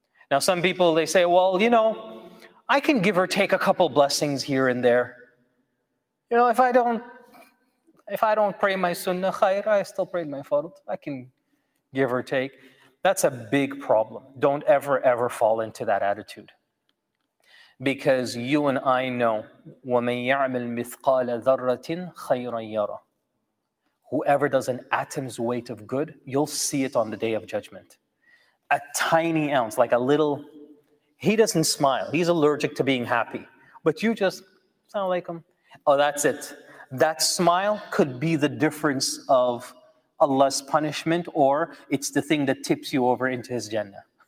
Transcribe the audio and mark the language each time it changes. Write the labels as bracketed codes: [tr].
[en] Now some people, they say, well, you know, I can give or take a couple blessings here and there. You know, if I don't pray my sunnah khair, I still prayed my fard. I can give or take. That's a big problem. Don't ever, ever fall into that attitude. Because you and I know, [ar] وَمَنْ يَعْمَلْ مِثْقَالَ ذَرَّةٍ خَيْرًا يَرَى. [en] Whoever does an atom's weight of good, you'll see it on the day of judgment. A tiny ounce, like a little, he doesn't smile. He's allergic to being happy. But you just, sound like him. Oh, that's it. That smile could be the difference of Allah's punishment, or it's the thing that tips you over into his Jannah.